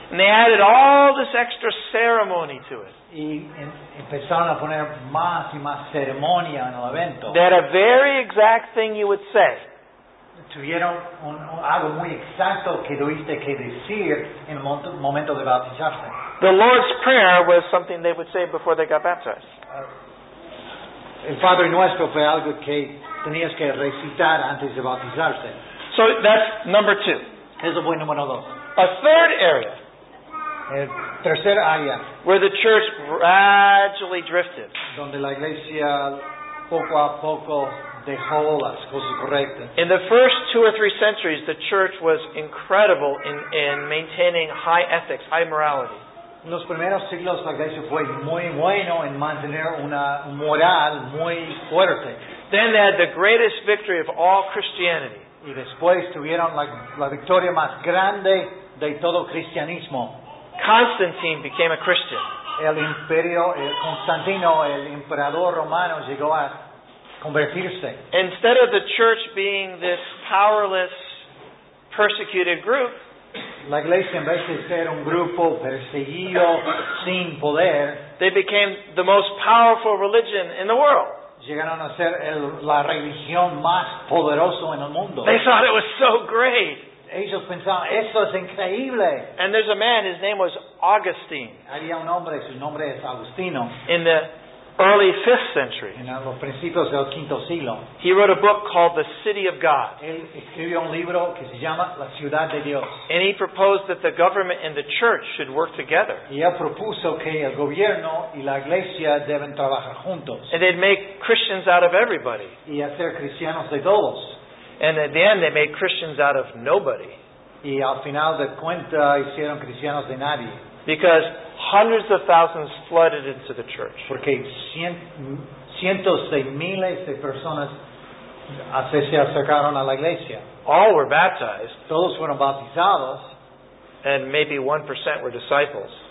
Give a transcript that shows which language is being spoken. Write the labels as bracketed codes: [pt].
[en] And they added all this extra ceremony to it. [es] Y empezaron a poner más y más ceremonia en el evento. [en] They had a very exact thing you would say. [es] Tuvieron algo muy exacto que tuviste que decir en el momento de bautizarse. [en] The Lord's Prayer was something they would say before they got baptized. [es] El Padre Nuestro fue algo que tenías que recitar antes de bautizarse. [en] So that's number two. [es] Eso fue número dos. [en] A third area. [es] El tercer área. [en] Where the church gradually drifted. [es] Donde la iglesia poco a poco dejó las cosas correctas. [en] In the first two or three centuries, the church was incredible in maintaining high ethics, high morality. [es] En los primeros siglos, la iglesia fue muy bueno en mantener una moral muy fuerte. [en] Then they had the greatest victory of all Christianity. [es] Y después tuvieron la victoria más grande de todo cristianismo. [en] Constantine became a Christian. [es] Constantino, el emperador romano, llegó a convertirse. [en] Instead of the church being this powerless, persecuted group, [es] la iglesia en vez de ser un grupo perseguido sin poder, [en] they became the most powerful religion in the world. [es] Llegaron a ser la religión más poderosa en el mundo. [en] They thought it was so great. [es] Ellos pensaban, esto es increíble. [en] And there's a man, his name was Augustine. [es] Había un hombre, su nombre es Agustino. [en] In the early 5th century. [es] En los principios del quinto siglo. [en] He wrote a book called The City of God. [es] Él escribió un libro que se llama La Ciudad de Dios. [en] And he proposed that the government and the church should work together. [es] Y él propuso que el gobierno y la iglesia deben trabajar juntos. [en] And they'd make Christians out of everybody. [es] Y hacer cristianos de todos. [en] And at the end, they made Christians out of nobody. [es] Y al final de cuenta, hicieron cristianos de nadie. [en] Because hundreds of thousands flooded into the church. [es] Porque cientos de miles de personas se acercaron a la iglesia. [en] All were baptized. [es] Todos fueron bautizados. [en] And maybe 1% were disciples.